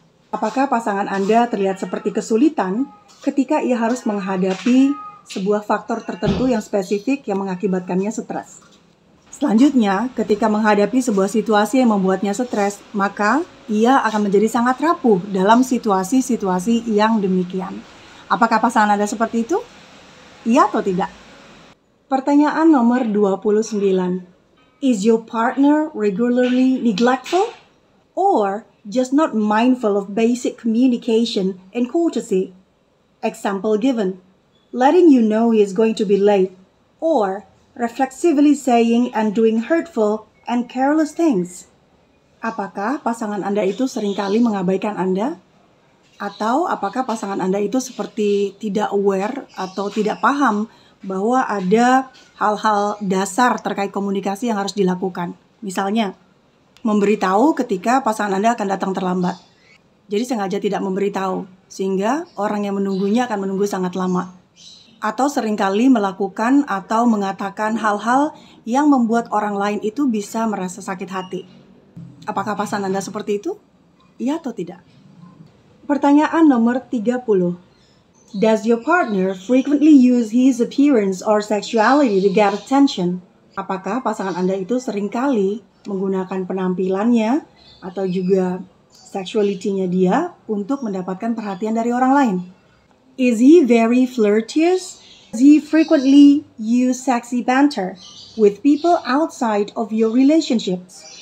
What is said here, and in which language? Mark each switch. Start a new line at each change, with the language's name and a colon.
Indonesian: Apakah pasangan Anda terlihat seperti kesulitan ketika ia harus menghadapi sebuah faktor tertentu yang spesifik yang mengakibatkannya stres? Selanjutnya, ketika menghadapi sebuah situasi yang membuatnya stres, maka ia akan menjadi sangat rapuh dalam situasi-situasi yang demikian. Apakah pasangan Anda seperti itu? Iya atau tidak? Pertanyaan nomor 29.
English: Is your partner regularly neglectful or just not mindful of basic communication and courtesy? Example given. Letting you know he is going to be late or reflexively saying and doing hurtful and careless things.
Indonesian: Apakah pasangan Anda itu seringkali mengabaikan Anda? Atau apakah pasangan Anda itu seperti tidak aware atau tidak paham bahwa ada hal-hal dasar terkait komunikasi yang harus dilakukan? Misalnya, memberitahu ketika pasangan Anda akan datang terlambat. Jadi sengaja tidak memberitahu, sehingga orang yang menunggunya akan menunggu sangat lama. Atau seringkali melakukan atau mengatakan hal-hal yang membuat orang lain itu bisa merasa sakit hati. Apakah pasangan Anda seperti itu? Iya atau tidak? Pertanyaan nomor 30.
English: Does your partner frequently use his appearance or sexuality to get attention?
Indonesian: Apakah pasangan Anda itu seringkali menggunakan penampilannya atau juga sexuality-nya dia untuk mendapatkan perhatian dari orang lain?
English: Is he very flirtatious Z frequently use sexy banter with people outside of your relationships.